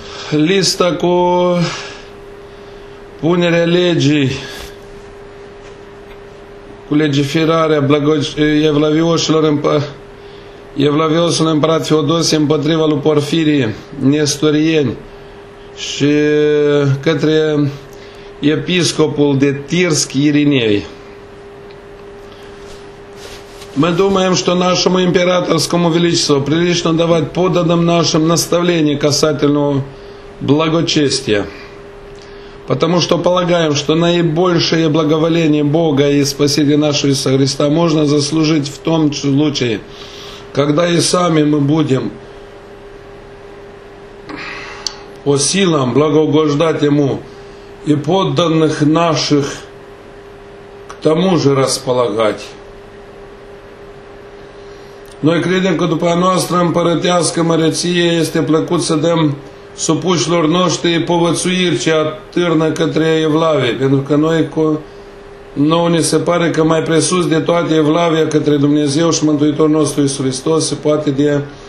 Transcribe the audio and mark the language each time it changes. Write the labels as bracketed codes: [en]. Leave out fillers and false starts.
[ro] lista cu punerea legii, cu legiferarea evlavioșului împărat Feodosie împotriva lui Porfirie, nestorieni, și către episcopul de Tirsk Irinei. [ru] Мы думаем, что нашему императорскому величеству прилично давать подданным нашим наставления касательно благочестия, потому что полагаем, что наибольшее благоволение Бога и Спасителя нашего Иисуса Христа можно заслужить в том случае, когда и сами мы будем по силам благоугождать Ему и подданных наших к тому же располагать. [ro] Noi credem că după a noastră împărătească măreție este plăcut să dăm supușilor noștri povățuiri ce atârnă către evlavie, pentru că noi cu nou ne se pare că mai presus de toate evlavia către Dumnezeu și Mântuitorul nostru Iisus Hristos se poate de